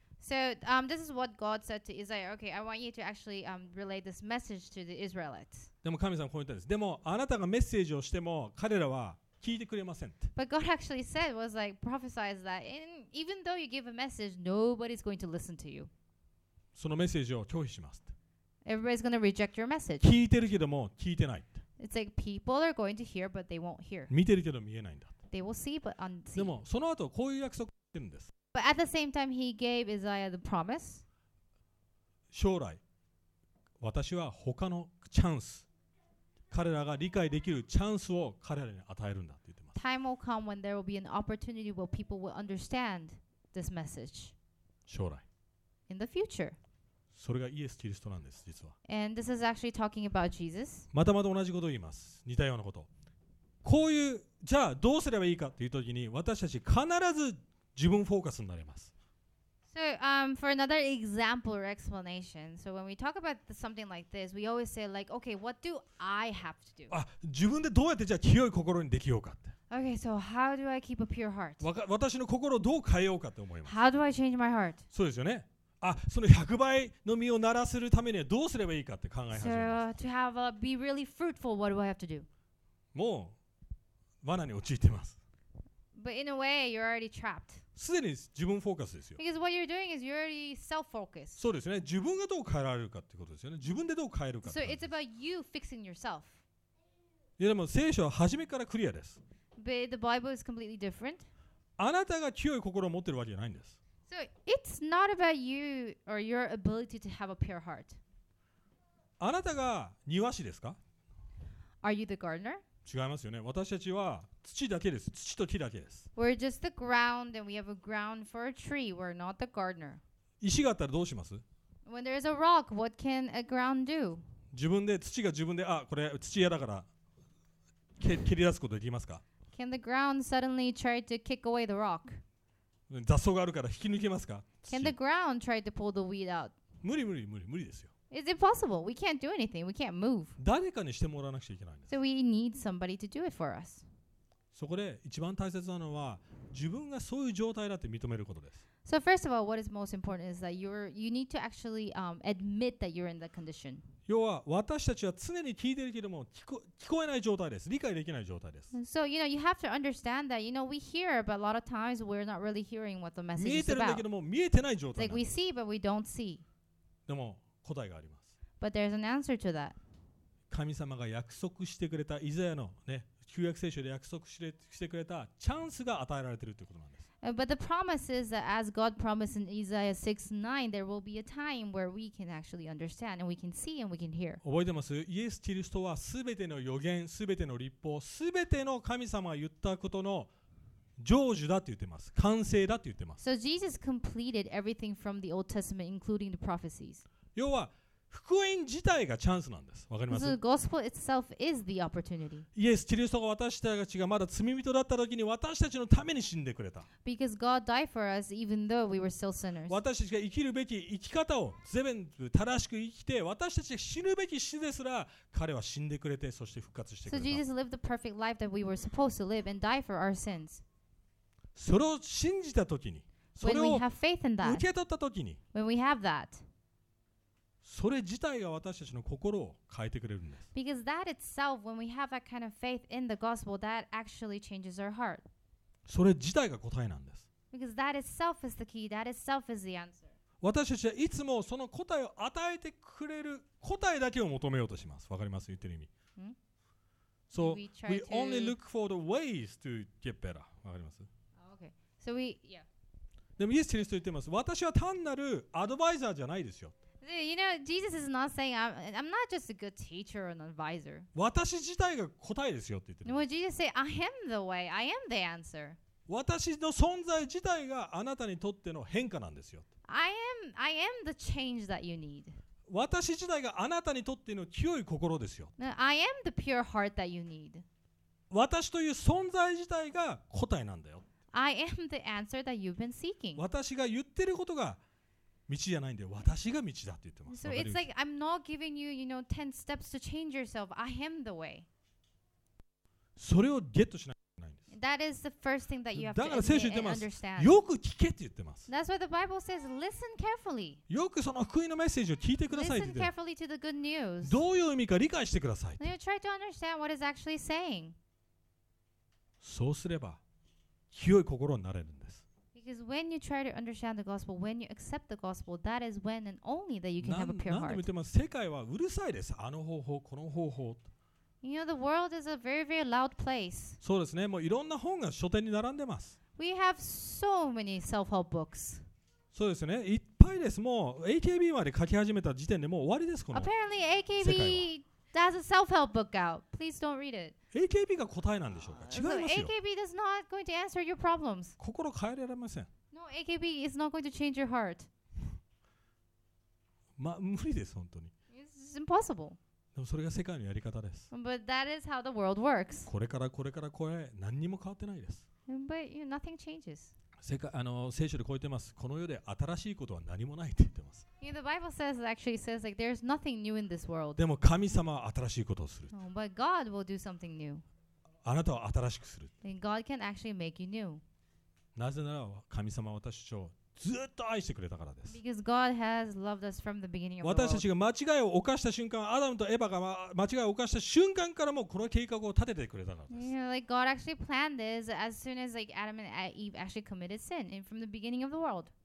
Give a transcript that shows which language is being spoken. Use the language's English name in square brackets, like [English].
[English] So, this is what God said to Isaiah. Okay, I want you to actually, relay this message to the Israelites. [Japanese] でも神様はこう言ったんです。でもあなたがメッセージをしても彼らは聞いてくれません。 [English] But God actually said, was like prophesied that, and even though you give a message, nobody's going to listen to you. [Japanese] そのメッセージを拒否します。 [English] Everybody's going to reject your message. [Japanese] 聞いてるけども聞いてない。 [English] It's like people are going to hear, but they won't hear. [Japanese] 見てるけど見えないんだ。 [English] They will see, but unseen. [Japanese] でもその後こういう約束してるんです。 [English] But at the same time, he gave Isaiah the promise. [Japanese] 将来、私は他のチャンス。彼らが理解できるチャンスを彼らに与えるんだって言ってます。 [English] Time will come when there will be an opportunity where people will understand this message. [Japanese] 将来。 [English] In the future. [Japanese] それがイエス・キリストなんです、実は。 [English] And this is actually talking about Jesus. [Japanese] またまた同じことを言います。似たようなこと。こういう、じゃあどうすればいいかというときに、私たち必ず自分フォーカスになれます。 [English] So, for another example or explanation, so when we talk about something like this, we always say like, okay, what do I have to do? [Japanese] あ、自分でどうやってじゃあ清い心にできようかって。 [English] Okay, so how do I keep a pure heart? [Japanese] 私の心をどう変えようかって思います。 [English] How do I change my heart? [Japanese] そうですよね。あ、その100倍の実をならせるためにはどうすればいいかって考え始めます。 [English] So, to have a, be really fruitful, what do I have to do? [Japanese] もう、罠に陥ってます。 [English] But in a way, you're already trapped. [Japanese] すでに自分フォーカスですよ。 [English] Because what you're doing is you're already self-focused. [Japanese] そうですね。自分がどう変えられるかってことですよね。自分でどう変えるかってことです。 [English] So it's about you fixing yourself. [Japanese] いやでも聖書は初めからクリアです。 [English] But the Bible is completely different. [Japanese] あなたが清い心を持ってるわけじゃないんです。 [English] So it's not about you or your ability to have a pure heart. [Japanese] あなたが庭師ですか? [English] Are you the gardener? [Japanese] 違いますよね。私たちは土だけです。土と木だけです。 [English] We're just the ground and we have a ground for a tree. We're not the gardener. [Japanese] 石があったらどうします? [English] When there is a rock, what can a ground do? [Japanese] 自分で土が自分で、あ、これ土嫌だから蹴り出すことできますか? [English] Can the ground suddenly try to kick away the rock? [Japanese] 雑草があるから引き抜けますか? [English] Can the ground try to pull the weed out? [Japanese] 無理無理無理無理ですよ。 [English] It's impossible. We can't do anything. We can't move. [Japanese] 誰かにしてもらわなくちゃいけないんです。 [English] So we need somebody to do it for us. [Japanese] そこで一番大切なのは自分がそういう状態だって認めることです。 [English] So first of all, what is most important is that you need to actually, admit that you're in that condition. [Japanese] 要は私たちは常に聞いてるけども聞こえない状態です。理解できない状態です。 [English] So you know, you have to understand that, you know, we hear, but a lot of times we're not really hearing what the message is about. [Japanese] 見えてるんだけども見えてない状態。 [English] Like we see, but we don't see. [Japanese] でも答えがあります。 [English] But there's an answer to that. [Japanese] 神様が約束してくれたイザヤのね、旧約聖書で約束してくれたチャンスが与えられているということなんです。 [English] But the promise is that as God promised in Isaiah 6:9, there will be a time where we can actually understand and we can see and we can hear. [Japanese] 覚えてます。イエス・キリストはすべての預言、すべての律法、すべての神様が言ったことの成就だって言ってます。完成だって言ってます。 [English] So Jesus completed everything from the Old Testament, including the prophecies. [Japanese] 要は福音自体がチャンスなんです。わかります？ [English] The gospel itself is the opportunity. [Japanese] イエス、キリストが私たちがまだ罪人だった時に私たちのために死んでくれた。 [English] Because God died for us even though we were still sinners. [Japanese] 私たちが生きるべき生き方を全部正しく生きて、私たちが死ぬべき死ですら彼は死んでくれて、そして復活してくれた。 [English] So Jesus lived the perfect life that we were supposed to live and die for our sins. [Japanese] それを信じた時に、それを受け取った時に、 [English] When we have that, [Japanese] それ自体が私たちの心を変えてくれるんです。 [English] Because that itself, when we have that kind of faith in the gospel, that actually changes our heart. [Japanese] それ自体が答えなんです。 [English] Because that itself is the key. That itself is the answer. [Japanese] 私たちはいつもその答えを与えてくれる答えだけを求めようとします。わかります？言ってる意味。 [English] So we only look for the ways to get better. [Japanese] わかります？ [English] Okay. So we, [Japanese] でもイエス・キリスト言ってます。私は単なるアドバイザーじゃないですよ。 [English] You know, Jesus is not saying I'm not just a good teacher or an advisor. [Japanese] 私自体が答えですよって言ってる。 [English] When Jesus say I am the way, I am the answer. [Japanese] 私の存在自体があなたにとっての変化なんですよ。 [English] I am the change that you need. [Japanese] 私自体があなたにとっての清い心ですよ。 [English] I am the pure heart that you need. [Japanese] 私という存在自体が答えなんだよ。 [English] I am the answer that you've been seeking. [Japanese] 私が言ってることが道じゃないんで、私が道だって言ってます。 [English] So it's like I'm not giving you, you know, 10 steps to change yourself. I am the way. [Japanese] それをゲットしなきゃいけないんです。 [English] That is the first thing that you have to understand. [Japanese] だから聖書言ってます。よく聞けって言ってます。 [English] That's why the Bible says, listen carefully. [Japanese] よくその福音のメッセージを聞いてくださいって。 [English] Listen carefully to the good news. [Japanese] どういう意味か理解してください。 [English] Now you try to understand what it's actually saying. [Japanese] そうすれば清い心になれるんです。 [English] Because when you try to understand the gospel, when you accept the gospel, that is when and only that you can have a pure heart. [Japanese] 何でも言ってます。世界はうるさいです。あの方法、この方法。 [English] You know, the world is a very, very loud place. [Japanese] そうですね。もういろんな本が書店に並んでます。 [English] We have so many self-help books. [Japanese] そうですね。いっぱいです。もう AKB まで書き始めた時点でもう終わりです。この [English] Apparently, AKB has a self-help book out. Please don't read it. [Japanese] AKB が答えなんでしょうか？違いますよ。 [English] AKB is not going to answer your problems. [Japanese] 心変えられません。 [English] No, AKB is not going to change your heart. [Japanese] まあ、無理です、本当に。 [English] It's impossible. [Japanese] でもそれが世界のやり方です。 [English] But that is how the world works. [Japanese] これからこれ、何にも変わってないです。 [English] But you know, nothing changes. [Japanese] 世界、聖書で超えてます。この世で新しいことは何もないって言ってます。 [English] You know, the Bible says, actually says, like, there's nothing new in this world. [Japanese] でも神様は新しいことをする。 [English] Oh, but God will do something new. [Japanese] あなたは新しくする。 [English] And God can actually make you new. [Japanese] なぜなら神様は私たちをずっと愛してくれたからです。 [English] Because God has loved us from the beginning of the world. [Japanese] 私たちが間違いを犯した瞬間、アダムとエヴァが間違いを犯した瞬間からもうこの計画を立ててくれたからです。 [English] You know, like, God actually planned this as soon as, like, Adam and Eve actually committed sin and from the beginning of the world.